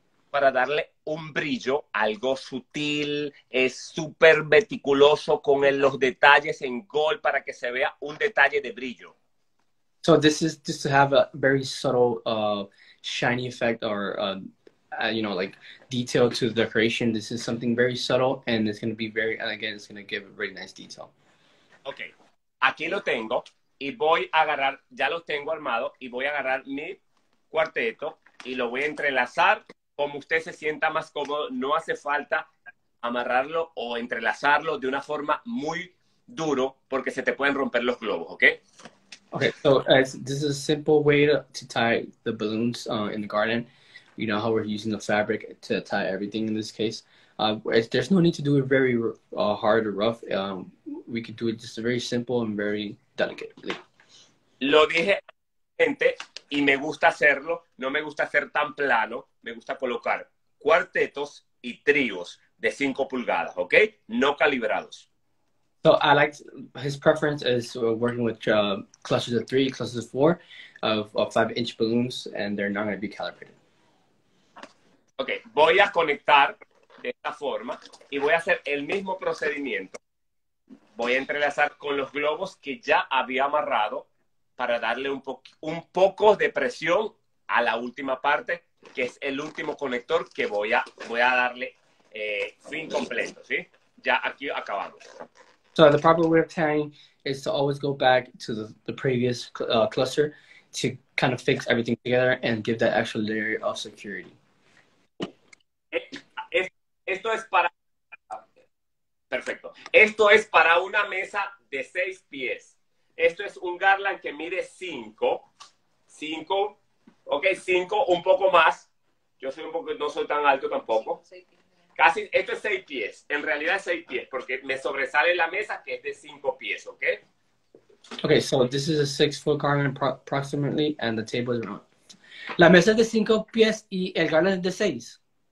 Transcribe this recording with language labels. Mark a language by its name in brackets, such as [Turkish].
[Spanish] Para darle un brillo, algo sutil, es súper meticuloso con los detalles en gold para que se vea un detalle de brillo. [English] So this is just to have a very subtle shiny effect or, you know, like detail to the decoration. This is something very subtle and it's going to be very, and again, it's going to give a very nice detail. Okay. [Spanish] Aquí lo tengo y voy a agarrar, ya lo tengo armado y voy a agarrar mi cuarteto y lo voy a entrelazar como usted se sienta más cómodo. No hace falta amarrarlo o entrelazarlo de una forma muy duro porque se te pueden romper los globos, okay? [English] Okay, so this is a simple way to tie the balloons in the garden. You know how we're using the fabric to tie everything in this case. There's no need to do it very hard or rough. We could do it just very simple and very delicately. [Spanish] Lo dije antes y me gusta hacerlo. No me gusta hacer tan plano. Me gusta colocar cuartetos y tríos de 5 pulgadas, okay? No calibrados. [English] So Alex, his preference is working with clusters of three, clusters of four, of 5-inch balloons, and they're not going to be calibrated. [Spanish] Okay, voy a conectar de esta forma y voy a hacer el mismo procedimiento. Voy a entrelazar con los globos que ya había amarrado para darle un poco de presión a la última parte, que es el último conector que voy a darle fin completo, ¿sí? Ya aquí acabamos. [English] So the proper way of tying is to always go back to the previous cluster to kind of fix everything together and give that extra layer of security. [Spanish] Esto es para... Perfecto. Esto es para una mesa de 6 pies. Esto es un garland que mide 5. Ok, 5, un poco más. Yo soy un poco, no soy tan alto tampoco. Casi, esto es 6 pies. En realidad es 6 pies, porque me sobresale la mesa que es de 5 pies, ¿ok? [English] Okay, so this is a 6-foot garland approximately, and the table is around. [Spanish] La mesa es de 5 pies y el garland es de 6.